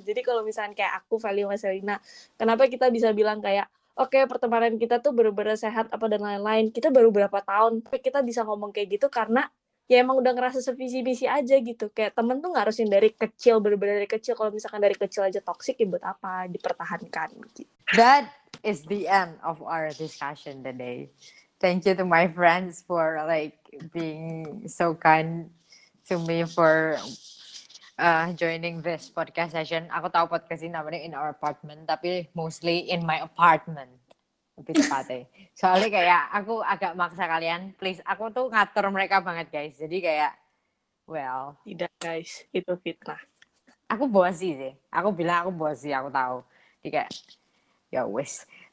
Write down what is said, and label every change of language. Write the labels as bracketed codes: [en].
[id] Jadi kalau misalkan kayak aku, Feli, Maselina, kenapa kita bisa bilang kayak, oke pertemanan kita tuh benar-benar sehat apa dan lain-lain? Kita baru berapa tahun, tapi kita bisa ngomong kayak gitu karena ya emang udah ngerasa sevisi-visi aja gitu. Kayak temen tuh gak harusin dari kecil, bener-bener dari kecil. Kalau misalkan dari kecil aja toxic, ya buat apa dipertahankan gitu. [en] That is the end of our discussion today. Thank you to my friends for like being so kind to me for joining this podcast session. [id] Aku tahu podcast ini namanya In Our Apartment, tapi [en] mostly in my apartment [id] lebih tepatnya. Soalnya kayak aku agak maksa kalian, please. Aku tuh ngatur mereka banget guys. Jadi kayak, well, tidak guys, itu fitnah. Aku bosi sih. Aku bilang aku bosi. Aku tahu. Jadi kayak, ya wes.